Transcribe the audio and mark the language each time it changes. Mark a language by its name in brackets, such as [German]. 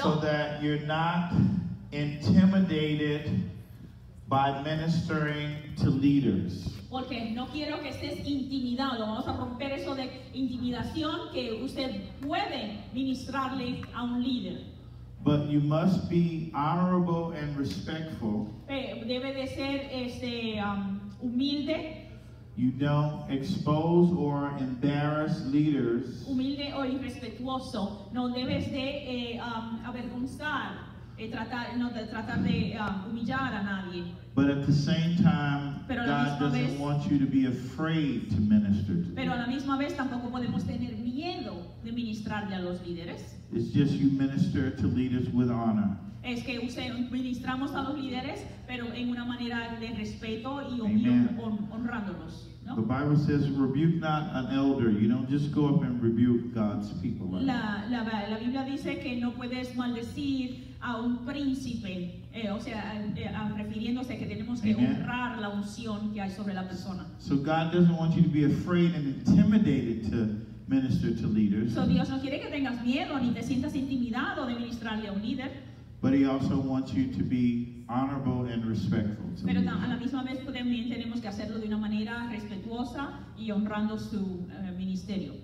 [English] So that you're not intimidated by ministering to leaders. [Spanish] Porque no quiero que estés intimidado. Vamos a romper eso de intimidación que usted puede ministrarle a un líder. [English] But you must be honorable and respectful. [Spanish] Debe de ser humilde. [English] You don't expose or embarrass leaders. [Spanish] Humilde o irrespetuoso. No debes de avergonzar. [English] But at the same time, God doesn't want you to be afraid to minister to them. [Spanish] Pero a la misma vez tampoco podemos tener miedo de ministrarle a los líderes. [English] It's just you minister to leaders with honor. [Spanish] Es que ministramos a los líderes, pero en una manera de respeto y honrándolos. [English] The Bible says, rebuke not an elder. You don't just go up and rebuke God's people. [Spanish] La Biblia dice que no puedes maldecir a un príncipe, refiriéndose que tenemos que honrar la unción que hay sobre la persona. [English] So God doesn't want you to be afraid and intimidated to minister to leaders. [Spanish] So Dios no quiere que tengas miedo ni te sientas intimidado de ministrarle a un líder. [English] But he also wants you to be honorable and respectful. [Spanish] Pero a la misma vez también tenemos que hacerlo de una manera respetuosa y honrando su ministerio.